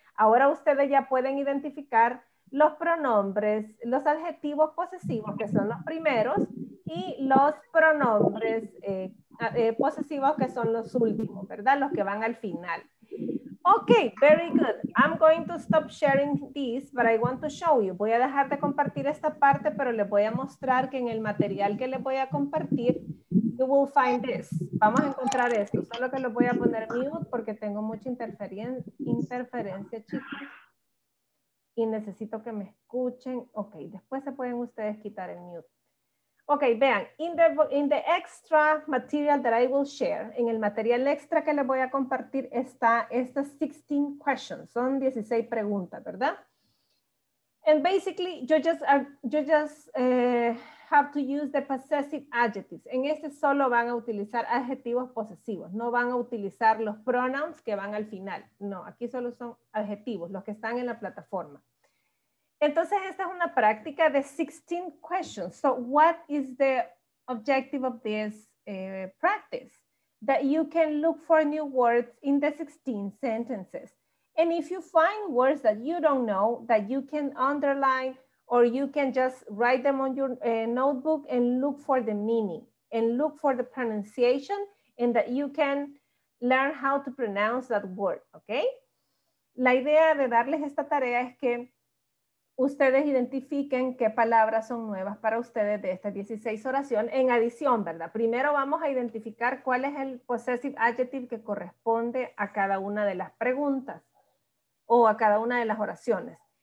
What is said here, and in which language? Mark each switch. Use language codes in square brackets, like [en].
[es] Ahora ustedes ya pueden identificar los pronombres, los adjetivos posesivos, que son los primeros, y los pronombres posesivos, que son los últimos, ¿verdad? Los que van al final. [en] Ok, very good. I'm going to stop sharing this, but I want to show you. [es] Voy a dejar de compartir esta parte, pero les voy a mostrar que en el material que les voy a compartir, [en] you will find this. [es] Vamos a encontrar esto. Solo que lo voy a poner mute porque tengo mucha interferencia, chicos. Y necesito que me escuchen. Ok, después se pueden ustedes quitar el mute. Ok, vean, [en] in the extra material that I will share, [es] en el material extra que les voy a compartir, está estas 16 questions. Son 16 preguntas, ¿verdad? [en] And basically, you just have to use the possessive adjectives. [es] En este solo van a utilizar adjetivos posesivos. No van a utilizar los pronouns que van al final. No, aquí solo son adjetivos, los que están en la plataforma. Entonces, esta es una práctica de 16 questions. [en] So, what is the objective of this practice? That you can look for new words in the 16 sentences. And if you find words that you don't know, that you can underline, or you can just write them on your notebook and look for the meaning, and look for the pronunciation, and that you can learn how to pronounce that word, okay? [es] La idea de darles esta tarea es que ustedes identifiquen qué palabras son nuevas para ustedes de estas 16 oraciones en adición, ¿verdad? Primero vamos a identificar cuál es el possessive adjective que corresponde a cada una de las preguntas o a cada una de las oraciones.